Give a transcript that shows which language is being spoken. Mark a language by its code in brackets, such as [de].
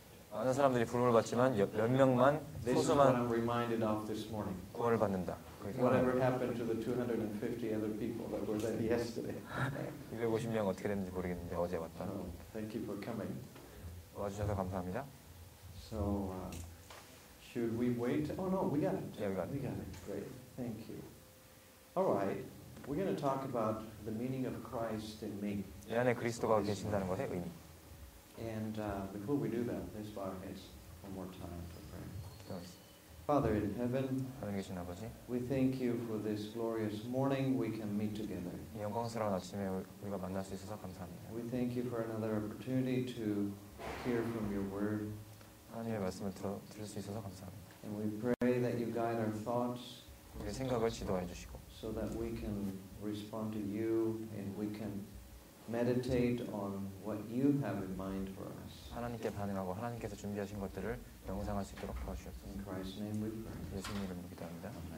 [ko] 많은 사람들이 부름을 받지만 몇 명만 소수만 구원을 받는다. [en] Whatever happened to the 250 other people that were there yesterday? [ko] 250명 어떻게 됐는지 모르겠는데 어제 왔다. [en] Thank you for coming. [ko] 와주셔서 감사합니다. [en] So should we wait? Oh no, we got it. Yeah, we got it. We got it. Great. Thank you. All right. We're going to talk about the meaning of Christ in me. [ko] 내 안에 그리스도가 계신다는 것의 의미. [en] And before we do that, let's bow our heads one more time for prayer. Father in heaven, [ko] 하나님 계신 아버지, [en] we thank you for this glorious morning we can meet together. [ko] 이 영광스러운 아침에 우리가 만날 수 있어서 감사합니다. [en] We thank you for another opportunity to hear from your word. [ko] 하나님의 말씀을 들을 수 있어서 감사합니다. [en] And we pray that you guide our thoughts. [ko] 우리 생각을 지도해 주시고. [en] So that we can respond to you and we can meditate on what you have in mind for us. [ko] 하나님께 반응하고 하나님께서 준비하신 것들을 명상할 수 있도록 도와주셨습니다. [en] In Christ's name we pray. [ko] 예수님 이름으로 기도합니다.